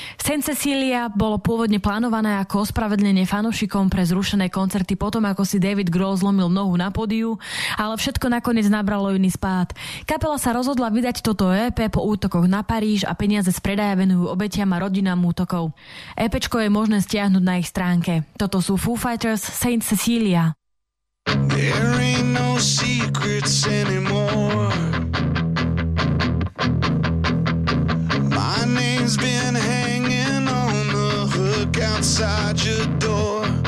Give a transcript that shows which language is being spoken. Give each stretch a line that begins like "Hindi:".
Slovak: Saint Cecilia bolo pôvodne plánované ako ospravedlenie fanúšikom pre zrušené koncerty potom, ako si David Grohl zlomil nohu na podiu, ale všetko nakoniec nabralo iný spád. Kapela sa rozhodla vydať toto EP po útokoch na Paríž a peniaze z predaja venujú obetiam a rodinám útokov. EPčko je možné stiahnuť na ich stránke. Toto sú Foo Fighters, Saint Cecilia.
English: There ain't no secrets anymore. My name's been hanging on the hook outside your door.